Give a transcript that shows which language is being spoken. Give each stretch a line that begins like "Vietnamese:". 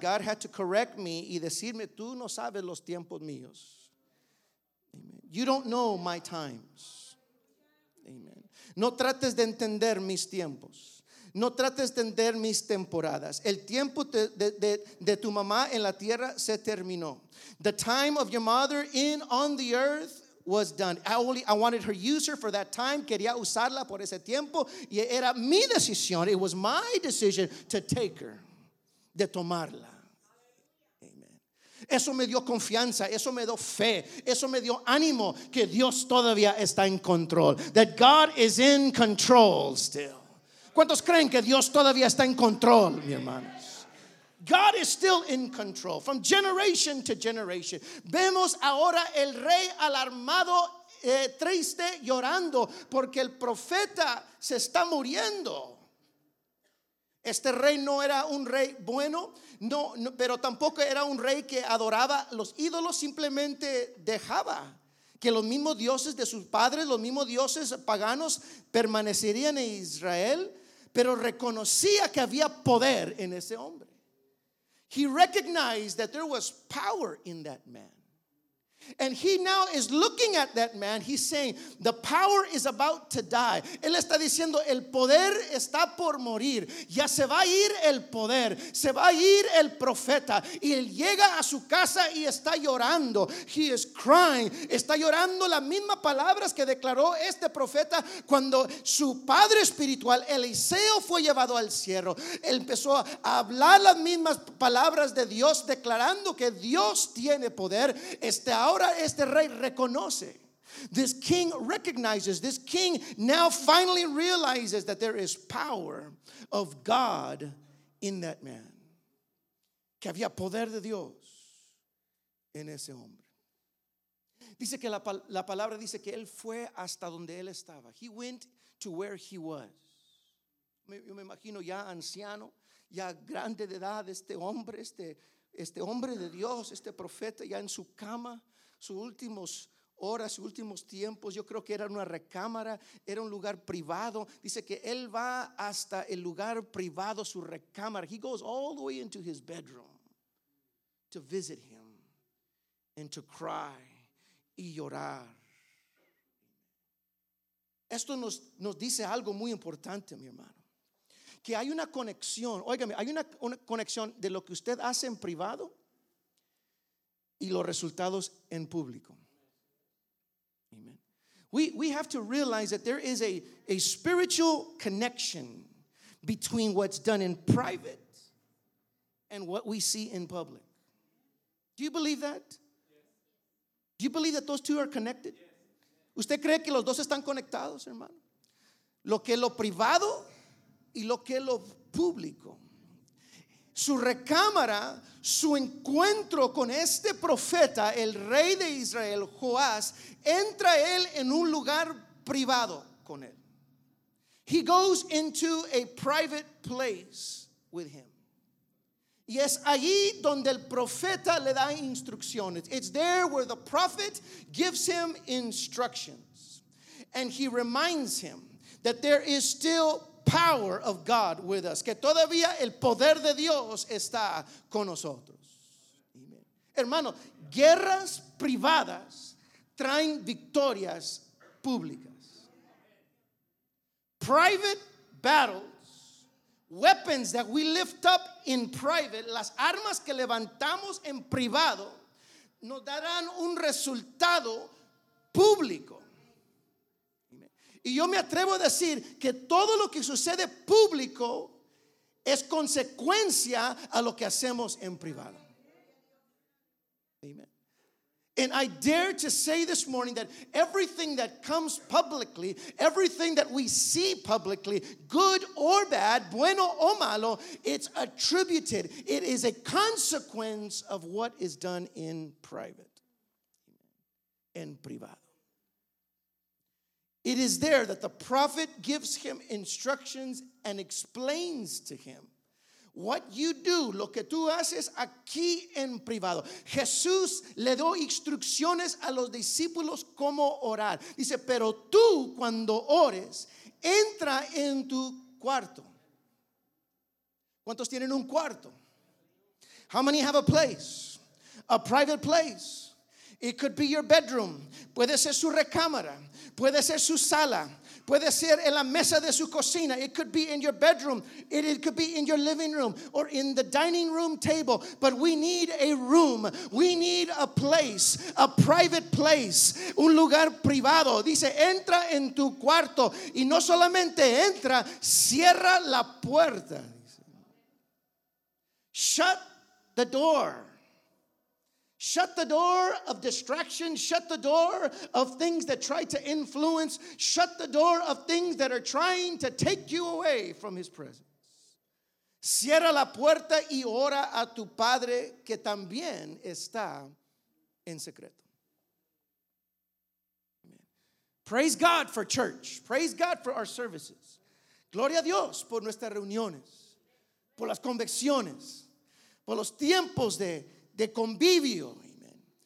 English: God had to correct me
Spanish: y decirme, tú no sabes los tiempos míos.
English: Amen. You don't know my times. Amen.
Spanish: No trates de entender mis tiempos. No trates de entender mis temporadas. El tiempo de tu mamá en la tierra se terminó.
English: The time of your mother in on the earth was done. I wanted her user for that time.
Spanish: Quería usarla por ese tiempo. Y era mi decisión.
English: It was my decision to take her,
Spanish: de tomarla.
English: Amen.
Spanish: Eso me dio confianza. Eso me dio fe. Eso me dio ánimo que Dios todavía está en control.
English: That God is in control still.
Spanish: ¿Cuántos creen que Dios todavía está en control, mi hermano?
English: God is still in control from generation to generation.
Spanish: Vemos ahora el rey alarmado, triste, llorando porque el profeta se está muriendo. Este rey no era un rey bueno, no, pero tampoco era un rey que adoraba los ídolos, simplemente dejaba que los mismos dioses de sus padres, los mismos dioses paganos permanecerían en Israel, pero reconocía que había poder en ese hombre.
English: He recognized that there was power in that man. And he now is looking at that man. He's saying, the power is about to die.
Spanish: Él está diciendo, el poder está por morir. Ya se va a ir el poder. Se va a ir el profeta. Y él llega a su casa y está llorando.
English: He is crying.
Spanish: Está llorando las mismas palabras que declaró este profeta cuando su padre espiritual, Eliseo, fue llevado al cielo. Él empezó a hablar las mismas palabras de Dios, declarando que Dios tiene poder. Ahora este rey reconoce.
English: This king recognizes. This king now finally realizes that there is power of God in that man.
Spanish: Que había poder de Dios en ese hombre. Dice que la palabra dice que él fue hasta donde él estaba.
English: He went to where he was.
Spanish: Yo me imagino ya anciano, ya grande de edad, este hombre de Dios, este profeta, ya en su cama. Sus últimos horas, sus últimos tiempos, yo creo que era una recámara, era un lugar privado. Dice que él va hasta el lugar privado, su recámara.
English: He goes all the way into his bedroom to visit him and to cry
Spanish: y llorar. Esto nos dice algo muy importante, mi hermano. Que hay una conexión, óigame, hay una conexión de lo que usted hace en privado y los resultados en público. Amen.
English: We have to realize that there is a spiritual connection between what's done in private and what we see in public. Do you believe that? Do you believe that those two are connected?
Spanish: ¿Usted cree que los dos están conectados, hermano? Lo que es lo privado y lo que es lo público. Su recámara, su encuentro con este profeta, el rey de Israel, Joás, entra él en un lugar privado con él.
English: He goes into a private place with him.
Spanish: Y es allí donde el profeta le da instrucciones.
English: It's there where the prophet gives him instructions. And he reminds him that there is still power of God with us,
Spanish: que todavía el poder de Dios está con nosotros.
English: Amen.
Spanish: Hermano, guerras privadas traen victorias públicas.
English: Private battles, weapons that we lift up in private,
Spanish: las armas que levantamos en privado, nos darán un resultado público. Y yo me atrevo a decir que todo lo que sucede público es consecuencia a lo que hacemos en privado. Amen.
English: And I dare to say this morning that everything that comes publicly, everything that we see publicly, good or bad,
Spanish: bueno o malo,
English: it's attributed. It is a consequence of what is done in private.
Spanish: En privado.
English: It is there that the prophet gives him instructions and explains to him what you do,
Spanish: lo que tú haces aquí en privado. Jesús le dio instrucciones a los discípulos cómo orar. Dice, pero tú cuando ores, entra en tu cuarto. ¿Cuántos tienen un cuarto?
English: How many have a place? A private place. It could be your bedroom.
Spanish: Puede ser su recámara. Puede ser su sala, Puede ser en la mesa de su cocina.
English: It could be in your bedroom. It could be in your living room or in the dining room table. But we need a room. We need a place, a private place,
Spanish: un lugar privado. Dice, entra en tu cuarto. Y no solamente entra, cierra la puerta.
English: Shut the door. Shut the door of distraction. Shut the door of things that try to influence. Shut the door of things that are trying to take you away from his presence.
Spanish: Cierra la puerta y ora a tu padre que también está en secreto.
English: Amen. Praise God for church. Praise God for our services.
Spanish: Gloria a Dios por nuestras reuniones, por las convicciones, por los tiempos de convivio, amen.